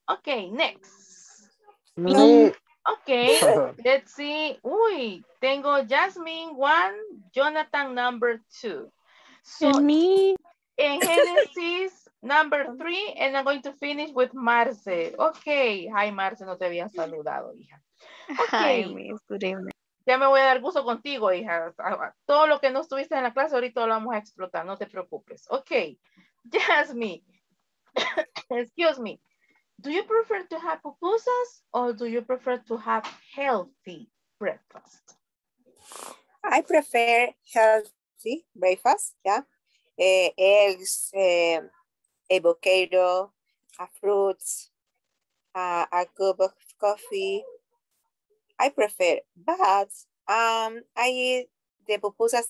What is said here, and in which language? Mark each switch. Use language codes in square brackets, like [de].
[en] Okay, next. Me. Okay, let's see. [es] Uy, tengo [en] Jasmine 1, Jonathan number 2. So and me. And Genesis number 3, and I'm going to finish with Marce. Okay, hi [es] Marce, no te había saludado, hija. [en] Okay. Hi, miss. Good evening. [es] Ya me voy a dar gusto contigo, hija. Todo lo que no estuviste en la clase, ahorita lo vamos a explotar, no te preocupes. [en] Okay, Jasmine. Excuse me. Do you prefer to have pupusas or do you prefer to have healthy breakfast? I prefer healthy breakfast, yeah. Eggs, avocado, fruits, a cup of coffee. I prefer, but I eat the pupusas.